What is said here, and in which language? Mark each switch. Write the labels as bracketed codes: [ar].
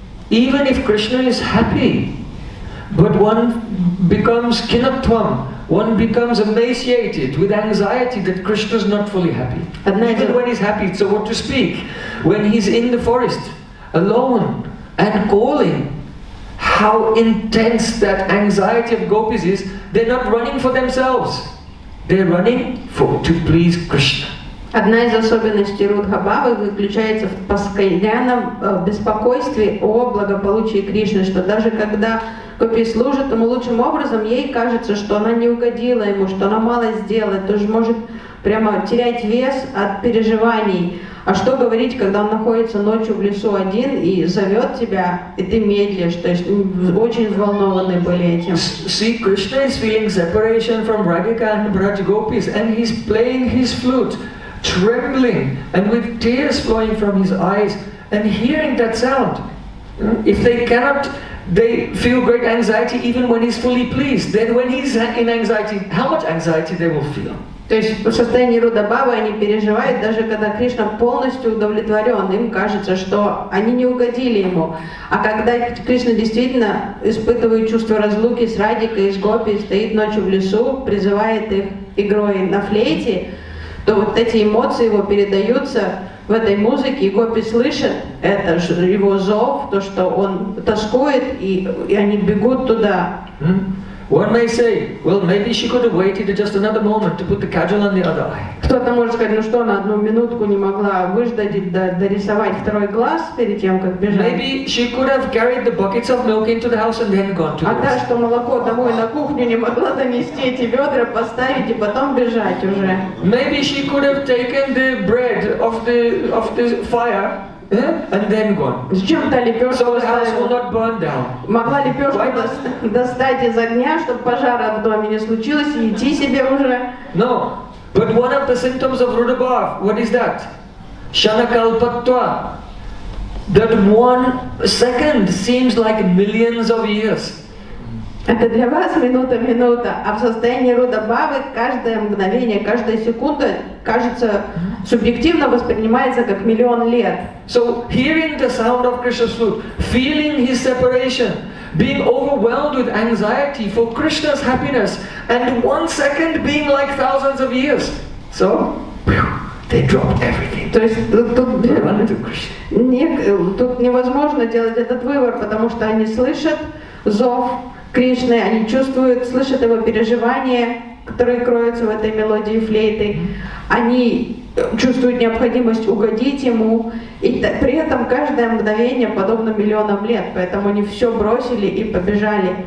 [en] Even if Krishna is happy, but one becomes kinaptvam, one becomes emaciated with anxiety that Krishna is not fully happy. Even when he's happy, so what to speak? When he's in the forest, alone and calling. How intense that anxiety of gopis is, they're not running for themselves. They're running for to please Krishna. [ru] Одна из особенностей Рудха Бхавы заключается в постоянном беспокойстве о благополучии Кришны, что даже когда гопи служит ему лучшим образом, ей кажется, что она не угодила ему, что она мало сделает, то же может прямо терять вес от переживаний. А что говорить, когда он находится ночью в лесу один и зовет тебя, и ты медлишь, то есть очень взволнованы были этим. [en] See, Krishna is feeling separation from Radhika and Braj Gopis, and he's playing his flute, trembling, and with tears flowing from his eyes, and hearing that sound. If they cannot, they feel great anxiety even when he's fully pleased. Then when he's in anxiety, how much anxiety they will feel? [ru] То есть в состоянии Рудра Бхавы они переживают, даже когда Кришна полностью удовлетворен, им кажется, что они не угодили ему. А когда Кришна действительно испытывает чувство разлуки с Радикой, с Гопи, стоит ночью в лесу, призывает их игрой на флейте, то вот эти эмоции его передаются в этой музыке, и Гопи слышат это, его зов, то, что он тоскует, и они бегут туда. [en] One may say, well, maybe she could have waited just another moment to put the kajal on the other eye. [ru] Кто-то может сказать, ну что, на одну минутку не могла выждать, дорисовать второй глаз перед тем, как бежать. [en] Maybe she could have carried the buckets of milk into the house and then gone to [ru] А та, что молоко домой на кухню не могла донести эти ведра, поставить и потом бежать уже. [en] Maybe she could have taken the bread of the fire. And then gone. [ru] Зачем та лепёшка? [en] So the house will not burn down. [ru] Могла лепёшку достать из огня, чтобы пожара в доме не случилось, и идти себе уже. [en] No, but one of the symptoms of Rudra Bhav, what is that? Shanakalpatva. That one second seems like millions of years. [ru] Это для вас минута-минута, а в состоянии Рудра Бхавы каждое мгновение, каждая секунда кажется субъективно воспринимается как миллион лет. [en] So hearing the sound of Krishna's flute, feeling his separation, being overwhelmed with anxiety for Krishna's happiness, and one second being like thousands of years. So they dropped everything. [ru] То есть тут тут невозможно делать этот выбор, потому что они слышат зов Кришны, они чувствуют, слышат его переживания, которые кроются в этой мелодии флейты. Они чувствуют необходимость угодить ему, и при этом каждое мгновение подобно миллионам лет, поэтому они все бросили и побежали.